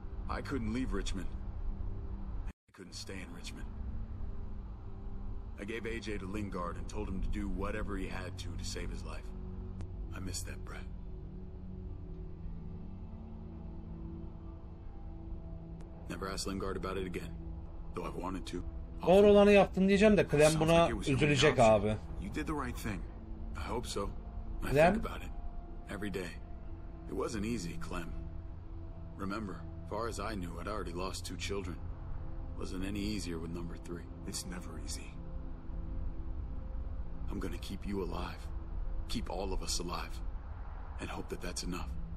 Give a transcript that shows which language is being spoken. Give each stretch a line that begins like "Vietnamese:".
English: I couldn't leave Richmond. I couldn't stay in Richmond. A I gave AJ to Lingard and told him to do whatever he had to save his life. I missed that breath. Never asked Lingard about it again, though I've wanted to.
Turkish: Doğru olanı yaptın diyeceğim de Clem buna üzülecek abi.
English: You did the right thing. I hope so. I think about it every day. It wasn't easy, Clem. Remember, far as I knew, I'd already lost two children. Wasn't any easier with number three. It's never easy. I'm gonna keep you alive. Keep all of us alive. And hope that that's enough.